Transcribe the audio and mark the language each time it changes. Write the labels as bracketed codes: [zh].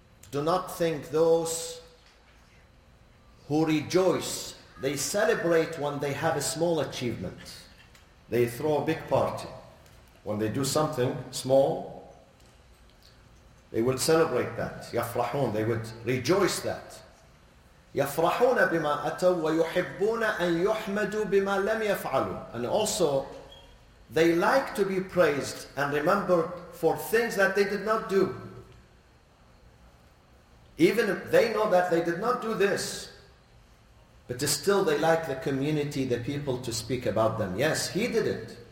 [en] Do not think those who rejoice, they celebrate when they have a small achievement. They throw a big party. When they do something small, they will celebrate that. يَفْرَحُونَ, they would rejoice that. [ar] يفرحون بما أتوا ويحبون أن يحمدوا بما لم يفعلوا. [en] And also, they like to be praised and remembered for things that they did not do. Even if they know that they did not do this, but still they like the community, the people to speak about them. Yes, he did it.